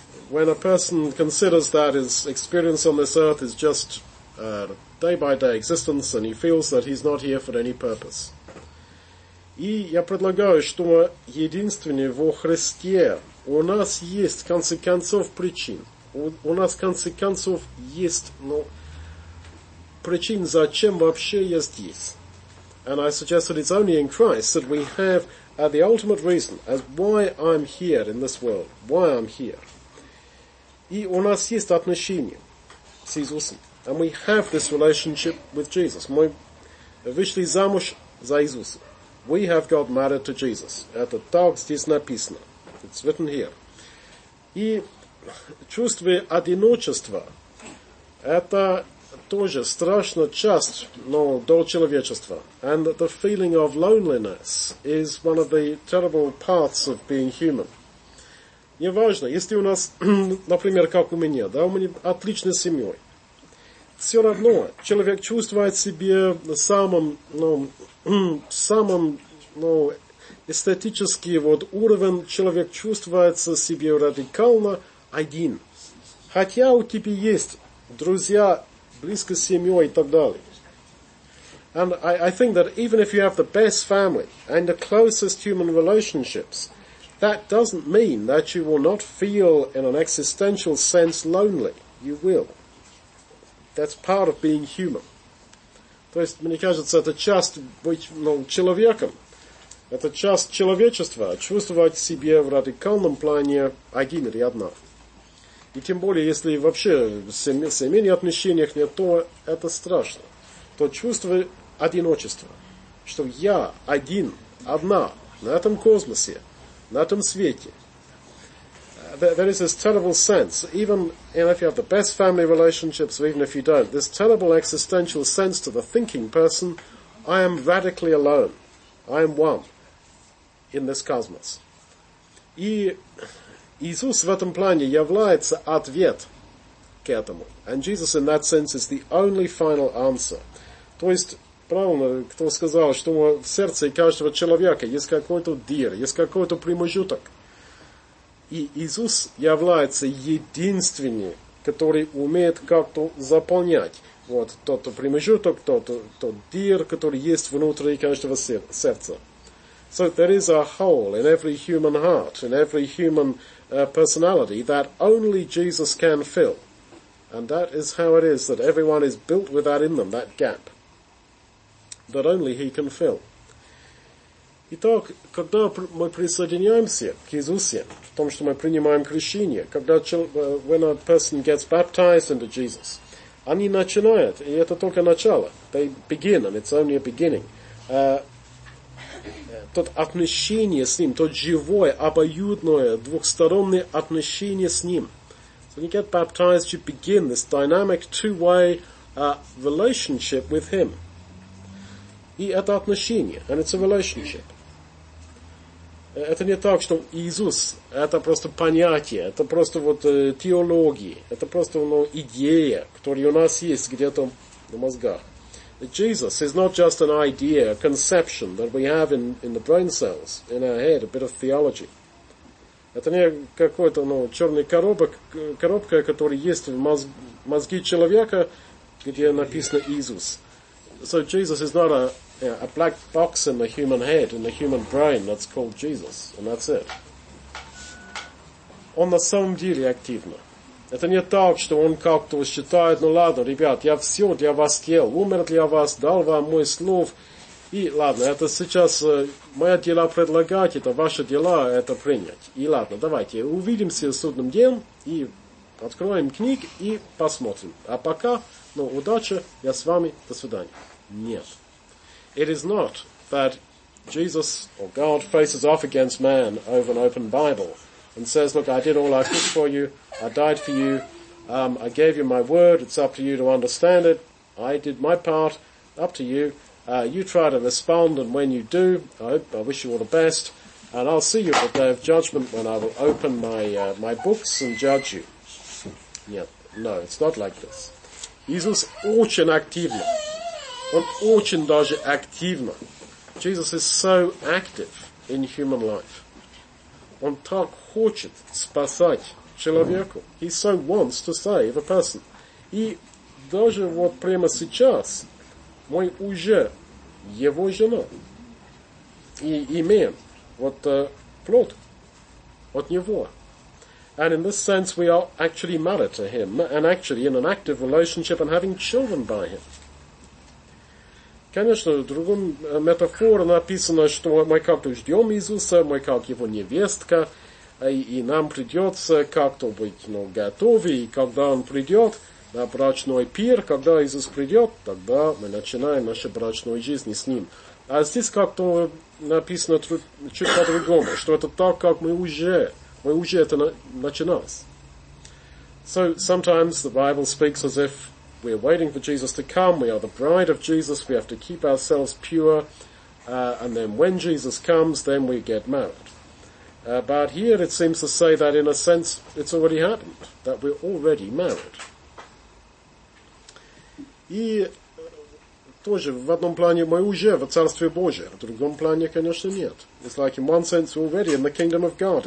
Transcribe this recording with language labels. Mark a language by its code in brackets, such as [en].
[en] When a person considers that his experience on this earth is just day-by-day existence, and he feels that he's not here for any purpose. [ru] И я предлагаю, что единственное во Христе у нас есть, в конце концов, причин. У нас, в конце концов, есть причин, зачем вообще я здесь. [en] And I suggest that it's only in Christ that we have the ultimate reason as why I'm here in this world, why I'm here. [ru] И у нас есть отношения с Иисусом. [en] And we have this relationship with Jesus. [ru] Мы вышли замуж за Иисуса. [en] We have got married to Jesus. [ru] Это так здесь написано. [en] It's written here. [ru] И чувство одиночества, это тоже страшная часть человечества. [en] And the feeling of loneliness is one of the terrible parts of being human. [ru] Неважно, если у нас, например, как у меня, у меня отличная семья. Все равно человек чувствует себя самым эстетический уровень, человек чувствует себя радикально один. Хотя у тебя есть друзья, близко с семьей и так далее. [en] And I think that even if you have the best family and the closest human relationships, that doesn't mean that you will not feel in an existential sense lonely. You will. That's part of being human. [ru] То есть, мне кажется, это часть быть человеком. Это часть человечества, чувствовать себя в радикальном плане один или одна. И тем более, если вообще в семейных отношениях нет, то это страшно. То чувство одиночества, что я один, одна, на этом космосе, на этом свете. [en] there is this terrible sense, even if you have the best family relationships, or even if you don't, this terrible existential sense to the thinking person, I am radically alone. I am one in this cosmos. [ru] И Иисус в этом плане является ответ к этому. [en] And Jesus in that sense is the only final answer. [ru] То есть, правильно, кто сказал, что в сердце каждого человека есть какой-то дир, есть какой-то промежуток. И Иисус является единственным, который умеет как-то заполнять вот тот промежуток, тот дир, который есть внутри каждого сердца. [en] So there is a hole in every human heart, in every human personality that only Jesus can fill. And that is how it is that everyone is built with that in them, that gap, that only he can fill. [ru] Итак, когда мы присоединяемся к Иисусу, в том, что мы принимаем крещение, когда [en] when a person gets baptized into Jesus, [ru] они начинают, и это только начало, [en] they begin, and it's only a beginning, [ru] тот отношение с ним, то живое, обоюдное, двухстороннее отношение с ним. [en] So when you get baptized, you begin this dynamic two-way relationship with him. [ru] И это отношение, [en] and it's a relationship. [ru] Это не так, что Иисус – это просто понятие, это просто вот теология, это просто идея, которая у нас есть где-то на мозгах. [en] Jesus is not just an idea, a conception that we have in the brain cells, in our head, a bit of theology. [ru] Это не какой-то черный коробка, которая есть в мозги человека, где написано Иисус. [en] So Jesus is not a black box in the human head, in the human brain, that's called Jesus, and that's it. [ru] Он на самом деле активно. Это не так, что он как-то считает, ладно, ребят, я все для вас делал, умер для вас, дал вам мой слов, и ладно, это сейчас моя дела предлагать, это ваши дела это принять. И ладно, давайте, увидимся в судном день, и откроем книг, и посмотрим. А пока, удачи, я с вами, до свидания. Нет. [en] It is not that Jesus or God faces off against man over an open Bible and says, look, I did all I could for you, I died for you, I gave you my word, it's up to you to understand it, I did my part, up to you, you try to respond, and when you do, I wish you all the best, and I'll see you at the day of judgment when I will open my books and judge you. Yeah, no, it's not like this. Jesus [ru] очень активно. Он очень даже активно. [en] Jesus is so active in human life. [ru] Он так хочет спасать человеку. [en] He so wants to save a person. [ru] И даже вот прямо сейчас мы уже его жена. И имеем вот плод от него. [en] And in this sense we are actually married to him and actually in an active relationship and having children by him. [ru] Конечно, в другом метафоре написано, что мы как-то ждем Иисуса, мы как его невестка, и нам придется как-то быть готовы, и когда он придет на брачный пир, когда Иисус придет, тогда мы начинаем нашу брачную жизнь с ним. А здесь как-то написано чуть по-другому, что это так, как мы уже это начинались. [en] So, sometimes the Bible speaks as if we are waiting for Jesus to come. We are the bride of Jesus. We have to keep ourselves pure. And then when Jesus comes, then we get married. But here it seems to say that in a sense, it's already happened, that we're already married. [ru] И тоже в одном плане мы уже в Царстве Божьем. В другом плане, конечно, нет. [en] It's like in one sense we're already in the kingdom of God.